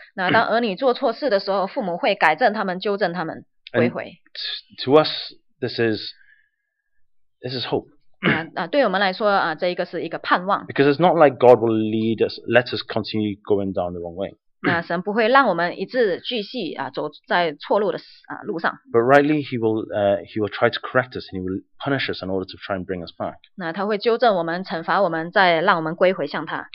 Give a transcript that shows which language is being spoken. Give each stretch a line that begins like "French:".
Chinese: 那当儿女做错事的时候，父母会改正他们，纠正他们，归回。
English: To us, this is hope.
Chinese: 对我们来说啊，这一个是一个盼望。
English: Because it's not like God will let us continue going down the wrong way.
Chinese: 那神不会让我们一直继续啊走在错路的路上。
English: But rightly, he will try to correct us and he will punish us in order to try and bring us back.
Chinese: 那他会纠正我们，惩罚我们，再让我们归回向他。